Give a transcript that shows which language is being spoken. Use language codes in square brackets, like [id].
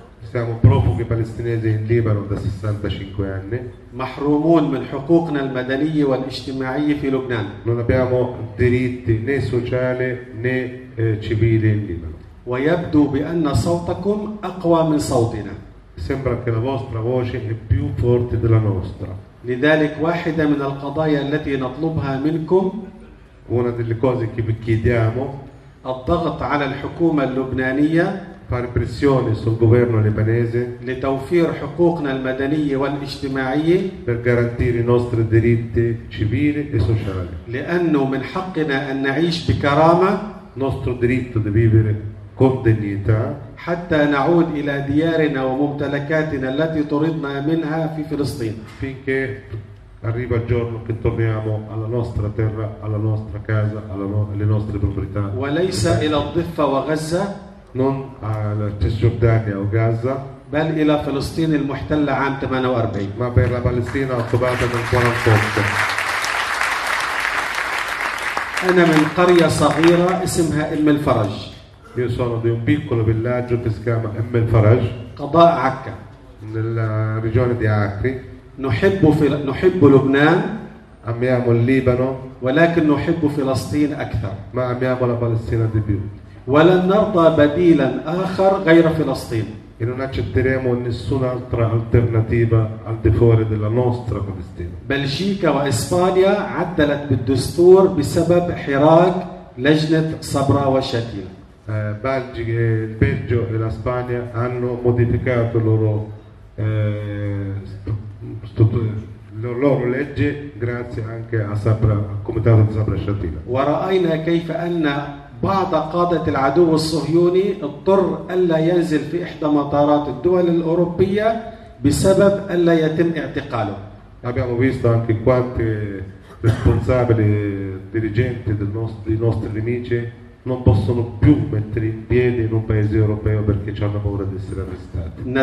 [it] Siamo profughi palestinesi in Libano da 65 anni. [ar] محرومون من حقوقنا المدنية والاجتماعية في لبنان. [it] Non abbiamo diritti né sociali né civili in Libano. [ar] ويبدو بأن صوتكم أقوى من صوتنا. [it] Sembra che la vostra voce è più forte della nostra. [ar] لذلك واحدة من القضايا التي نطلبها منكم. [it] Una delle cose che vi chiediamo. [ar] الضغط على الحكومة اللبنانية [it] fare pressione sul governo libanese [ar] لتوفير حقوقنا المدنية والاجتماعية [it] per garantire i nostri diritti civili e sociali [ar] لأنه من حقنا أن نعيش بكرامة [it] nostro diritto di vivere con dignità [ar] حتى نعود إلى ديارنا وممتلكاتنا التي طردنا منها في فلسطين [it] finché arriva il giorno che torniamo alla nostra terra, alla nostra casa, alle nostre proprietà. [ar] وليس إلى الضفة وغزة. [it] Non alla Cisgiordania o Gaza. [ar] بل إلى فلسطين المحتلة عام 48. [it] Ma per la Palestina occupata nel 48. [ar] أنا من قرية صغيرة اسمها إم الفرج. [it] Io sono di un piccolo villaggio che si chiama إم الفرج. [ar] قضاء عكا. [it] Nella regione di Acre. [ar] نحب لبنان [it] amiamo il Libano [ar] ولكن نحب فلسطين اكثر [it] ما amiamo la Palestina di più [ar] ولن نرضى بديلا اخر غير فلسطين [it] e non accetteremo nessun'altra alternativa al di fuori della nostra Palestina. [ar] بلجيكا واسبانيا عدلت بالدستور بسبب حراك لجنة صبرا وشاتيلا. [it] Belgio e la Spagna hanno modificato loro la loro legge grazie anche a Sabra, al comitato di Sabra Shatila. [ar] ورأينا كيف أن بعض قادة العدو الصهيوني اضطر ألا ينزل في إحدى مطارات الدول الأوروبية بسبب ألا يتم اعتقاله. [it] Abbiamo visto anche quanti responsabili dirigenti dei nostri nemici non possono più mettere in piedi in un paese europeo perché hanno paura di essere arrestati.